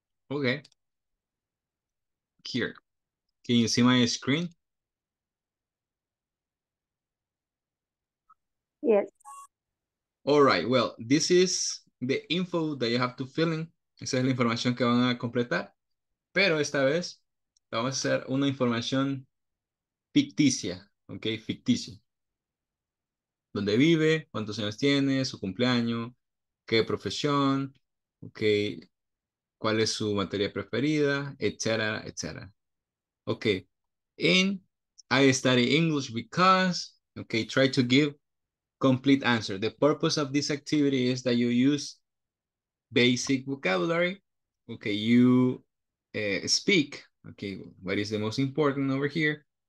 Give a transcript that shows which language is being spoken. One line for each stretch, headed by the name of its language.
English: Okay. Here. Can you see my screen? Yes. All right. Well, this is the info that you have to fill in.
Spanish: Esa es la información que van a completar. Pero esta vez, vamos a hacer una información ficticia. Okay, ficticia. Dónde vive, cuántos años tiene, su cumpleaños, qué profesión, okay, cuál es su materia preferida, etcétera, etcétera.
English: Okay, and I study English because, okay, try to give complete answer. The purpose of this activity is that you use basic vocabulary, okay, you speak, okay, what is the most important over here?